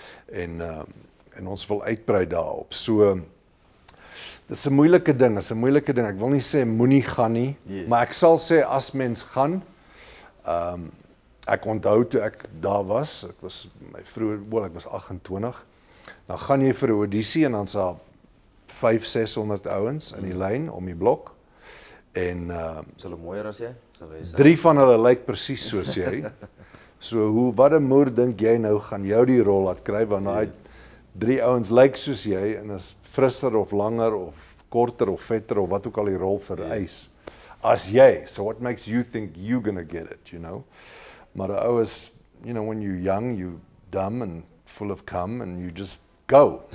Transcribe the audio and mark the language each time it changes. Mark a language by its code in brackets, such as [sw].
[af] En ons wil uitbrei daarop. So, dis 'n moeilike ding, Ek wil nie sê moenie gaan nie, [en] yes. [af] Maar ek sal sê as mens gaan, ek onthou toe ek daar was, ek was 28, dan gaan jy vir 'n audisie en dan is daar 500-600 ouens in die lyn om die blok. En is hulle mooier as jy? Drie van hulle lyk precies soos jy. So wat 'n moer dink jy nou gaan jou die rol laat kry, want daai drie ouens lyk soos jy en is frisser of langer of korter of vetter of wat ook al die rol vereis as jy. [en] So what makes you think you're gonna get it, you know? [af] Maar die ou is, [en] you know, when you're young, you're dumb and full of cum and you just go.